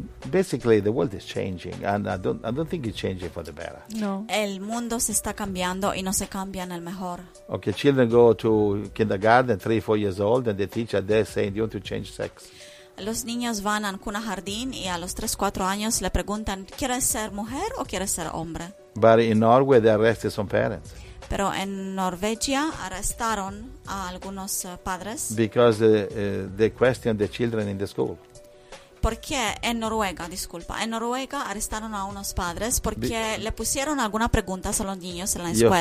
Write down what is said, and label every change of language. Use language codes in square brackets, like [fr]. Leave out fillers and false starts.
[en] Basically, the world is changing, and I don't think it's changing for the better. [es] No. El mundo se está cambiando y no se cambia en el mejor. [en] Okay, children go to kindergarten 3-4 years old, and the teacher there saying, "Do you want to change sex?" [es] Los niños van a un jardín y a los 3-4 años le preguntan, ¿quieres ser mujer o quieres ser hombre? [en] But in Norway they arrested some parents. [es] Pero en Norvegia arrestaron a algunos padres. [en] Because they questioned the children in the school. [es] Porque en Noruega, disculpa, en Noruega arrestaron a unos padres porque le pusieron algunas preguntas a los niños en la escuela.